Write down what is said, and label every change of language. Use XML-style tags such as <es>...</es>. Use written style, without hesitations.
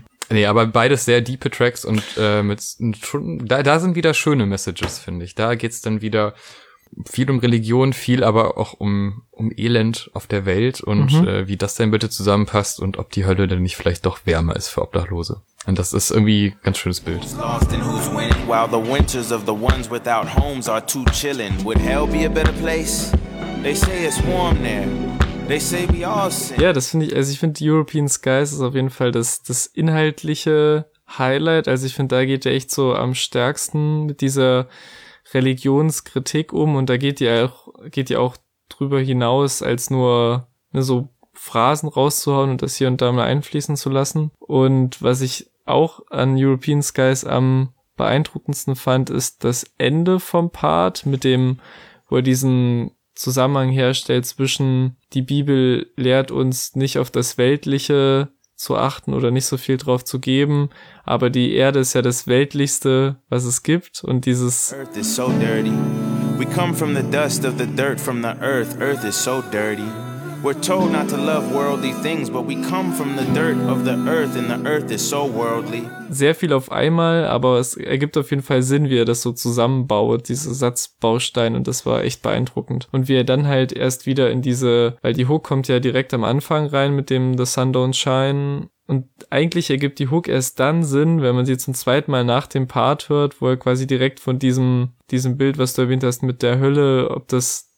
<de>Nee, aber beides sehr deepe Tracks und da sind wieder schöne Messages, finde ich. Da geht's dann wieder viel um Religion, viel aber auch um Elend auf der Welt und wie das denn bitte zusammenpasst und ob die Hölle denn nicht vielleicht doch wärmer ist für Obdachlose. Und das ist irgendwie ein ganz schönes Bild.</de> <en>Lost and who's winning, while the winters of the ones without homes are too chilling. Would hell be a better place? They say it's warm there. They say we all sin.</en> <de>Ja, das finde ich, also ich finde European Skies ist auf jeden Fall das inhaltliche Highlight. Also ich finde, da geht er echt so am stärksten mit dieser Religionskritik um, und da geht die auch drüber hinaus, als nur, ne, so Phrasen rauszuhauen und das hier und da mal einfließen zu lassen. Und was ich auch an European Skies am beeindruckendsten fand, ist das Ende vom Part, mit dem, wo er diesen Zusammenhang herstellt zwischen, die Bibel lehrt uns, nicht auf das Weltliche zu achten oder nicht so viel drauf zu geben, aber die Erde ist ja das Weltlichste, was es gibt, und dieses</de> <en>Earth is so dirty. We come from the dust of the dirt from the earth. Earth is so dirty. We're told not to love worldly things, but we come from the dirt of the earth, and the earth is so worldly.</en> <de>Sehr viel auf einmal, aber es ergibt auf jeden Fall Sinn, wie er das so zusammenbaut, diese Satzbausteine, und das war echt beeindruckend. Und wie er dann halt erst wieder in diese, weil die Hook kommt ja direkt am Anfang rein mit dem The Sun Don't Shine, und eigentlich ergibt die Hook erst dann Sinn, wenn man sie zum zweiten Mal nach dem Part hört, wo er quasi direkt von diesem Bild, was du erwähnt hast, mit der Hölle, ob das</de>